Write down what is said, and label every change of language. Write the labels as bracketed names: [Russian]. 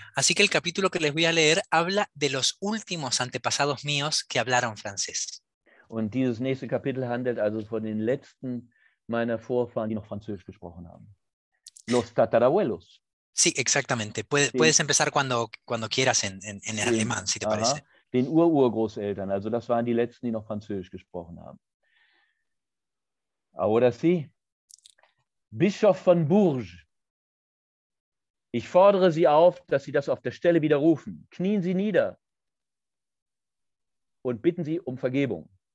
[Spanish] Así que el capítulo que les voy a leer habla de los últimos antepasados míos que hablaron francés. [German] Und dieses nächste Kapitel handelt also von den letzten meiner Vorfahren, die noch Französisch gesprochen haben. [Spanish] Los Tatarabuelos. Sí, exactamente. Puedes empezar cuando quieras en el alemán, si te parece. [German] Den Ururgroßeltern, also das waren die letzten, die noch Französisch gesprochen haben. [Spanish] Ahora sí. [German] Bischof von Bourges, ich fordere Sie auf, dass Sie das auf der Stelle widerrufen. Knien Sie nieder und bitten Sie um Vergebung.